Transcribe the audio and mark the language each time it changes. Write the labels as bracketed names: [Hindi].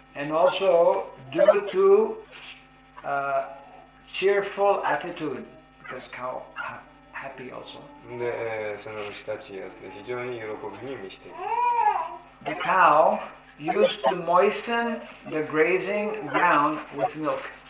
[English] And also due to cheerful attitude, because cow happy also. [Japanese] で、その牛たちは、ね、非常に喜びに満ちている。 [English] The cow used to moisten the grazing ground with milk.